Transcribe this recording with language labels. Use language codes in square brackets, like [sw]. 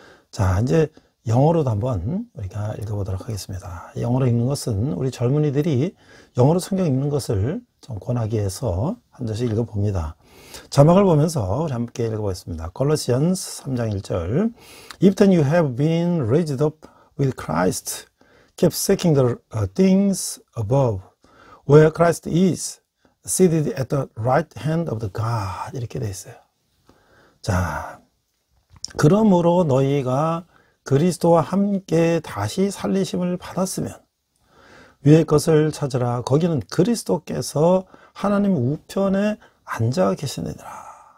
[ko] 자, 이제 영어로도 한번 우리가 읽어보도록 하겠습니다. 영어로 읽는 것은 우리 젊은이들이 영어로 성경 읽는 것을 좀 권하기 위해서 한 절씩 읽어봅니다. 자막을 보면서 우리 함께 읽어보겠습니다. Colossians 3장 1절. [en] If then you have been raised up with Christ, keep seeking the things above, where Christ is. Seated at the right hand of the God. [ko] 이렇게 되어 있어요. 자, 그러므로 너희가 그리스도와 함께 다시 살리심을 받았으면 위의 것을 찾으라. 거기는 그리스도께서 하나님 우편에 앉아 계시느니라.